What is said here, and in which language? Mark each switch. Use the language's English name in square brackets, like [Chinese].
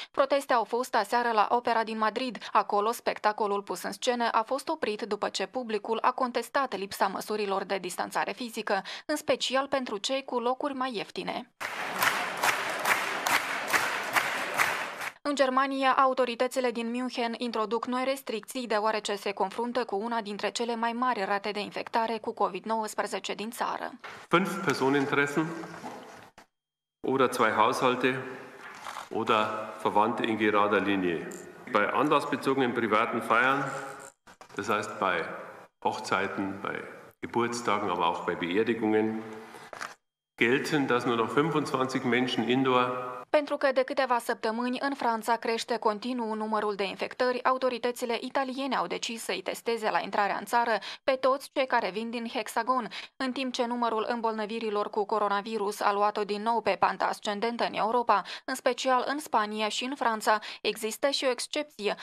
[Romanian] Proteste au fost aseară la Opera din Madrid. Acolo, spectacolul pus în scenă a fost oprit după ce publicul a contestat lipsa măsurilor de distanțare fizică, în special pentru cei cu locuri mai ieftine. În Germania, autoritățile din München introduc noi restricții deoarece se confruntă cu una dintre cele mai mari rate de infectare cu COVID-19 din țară. [German] 5 Personentreffen oder 2 Haushalte oder Verwandte in gerader Linie. Bei anlassbezogenen privaten Feiern, das heißt bei Hochzeiten, bei Geburtstagen, aber auch bei Beerdigungen, gelten, dass nur noch 25 Menschen indoor. [Romanian] Pentru că de câteva săptămâni în Franța crește continuu numărul de infectări, autoritățile italiene au decis să-i testeze la intrarea în țară pe toți cei care vin din Hexagon. În timp ce numărul îmbolnăvirilor cu coronavirus a luat-o din nou pe panta ascendentă în Europa, în special în Spania și în Franța, există și o excepție.